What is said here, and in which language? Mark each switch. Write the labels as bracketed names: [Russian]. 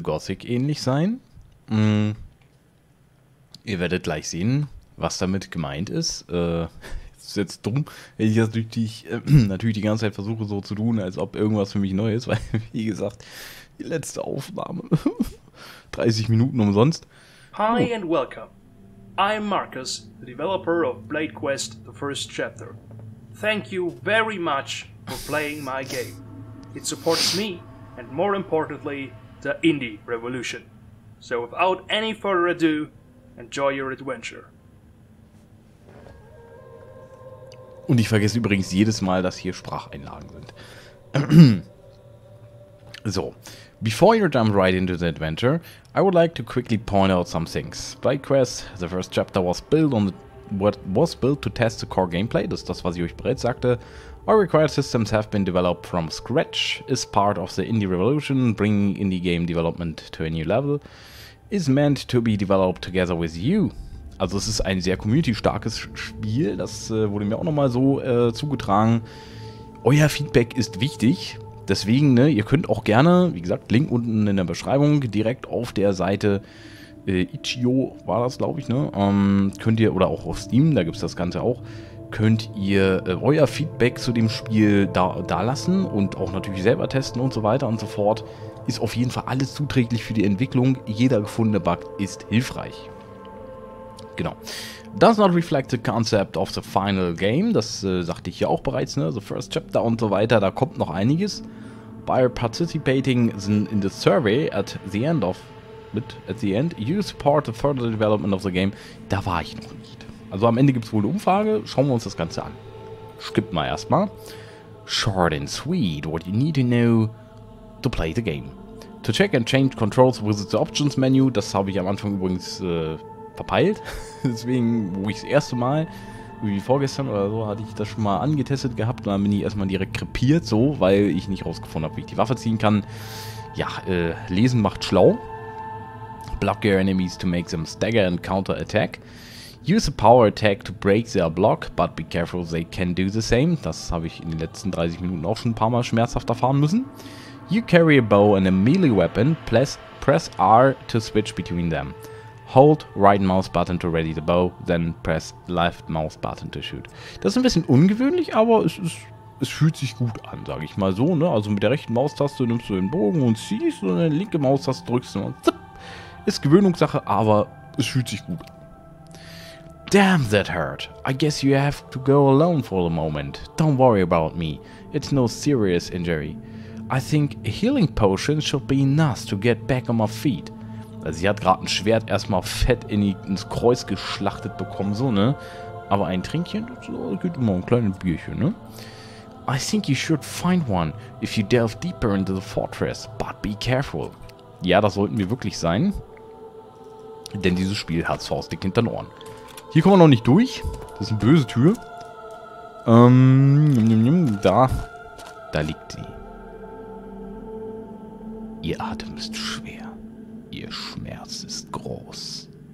[German] Gothic ähnlich sein. Ihr werdet gleich sehen, was damit gemeint ist. Ist jetzt dumm, wenn ich das natürlich die ganze Zeit versuche so zu tun, als ob irgendwas für mich neu ist, weil, wie gesagt, die letzte Aufnahme. 30 Minuten umsonst. [English] Hi and welcome. I'm Marcus, the developer of Blade Quest, the first chapter. Thank you very much for playing my game. It supports me, and more importantly, the indie revolution. So without any further ado, enjoy your adventure. [German] Und ich vergesse übrigens jedes Mal, dass hier Spracheinlagen sind. So. [English] Before you jump right into the adventure, I would like to quickly point out some things. Blade Quest, the first chapter, was built to test the core gameplay, [German] das ist das, was ich euch bereits sagte. [English] All required systems have been developed from scratch, is part of the indie revolution, bringing indie game development to a new level, is meant to be developed together with you. [German] Also es ist ein sehr community-starkes Spiel, das wurde mir auch nochmal so zugetragen. Euer Feedback ist wichtig. Deswegen, ne, ihr könnt auch gerne, wie gesagt, Link unten in der Beschreibung, direkt auf der Seite Itch.io war das, glaube ich, ne, könnt ihr, oder auch auf Steam, da gibt es das Ganze auch, könnt ihr euer Feedback zu dem Spiel da lassen und auch natürlich selber testen und so weiter und so fort. Ist auf jeden Fall alles zuträglich für die Entwicklung. Jeder gefundene Bug ist hilfreich. Genau. [English] Does not reflect the concept of the final game. [German] Das sagte ich hier auch bereits, ne? The first chapter und so weiter, da kommt noch einiges. [English] By participating in the survey at the end, you support the further development of the game. [German] Da war ich noch nicht. Also am Ende gibt es wohl eine Umfrage. Schauen wir uns das Ganze an. Skippen wir erstmal. [English] Short and sweet. What you need to know to play the game. To check and change controls with the options menu. [German] Das habe ich am Anfang übrigens verpeilt. Deswegen, wo ich das erste Mal, wie vorgestern oder so, hatte ich das schon mal angetestet gehabt. Und dann bin ich erstmal direkt krepiert, so, weil ich nicht rausgefunden habe, wie ich die Waffe ziehen kann. Ja, lesen macht schlau. [English] Block your enemies to make them stagger and counter attack. Use a power attack to break their block, but be careful, they can do the same. [German] Das habe ich in den letzten 30 Minuten auch schon ein paar Mal schmerzhaft erfahren müssen. [English] You carry a bow and a melee weapon, press R to switch between them. Hold right mouse button to ready the bow, then press left mouse button to shoot. [German] Das ist ein bisschen ungewöhnlich, aber es fühlt sich gut an, sage ich mal so. Ne? Also mit der rechten Maustaste nimmst du den Bogen und ziehst und dann linke Maustaste drückst und zipp. Ist Gewöhnungssache, aber es fühlt sich gut an. [English] Damn, that hurt. I guess you have to go alone for the moment. Don't worry about me. It's no serious injury. I think a healing potion should be enough to get back on my feet. [German] Also sie hat gerade ein Schwert erstmal fett ins Kreuz geschlachtet bekommen, so, ne? Aber ein Trinkchen, so, geht immer ein kleines Bierchen, ne? [English] I think you should find one if you delve deeper into the fortress, but be careful. [German] Ja, das sollten wir wirklich sein. Denn dieses Spiel hat faustdick hinter den Ohren. Hier kommen wir noch nicht durch. Das ist eine böse Tür. Da liegt sie. Ihr Atem ist schwer. Ihr Schmerz ist groß.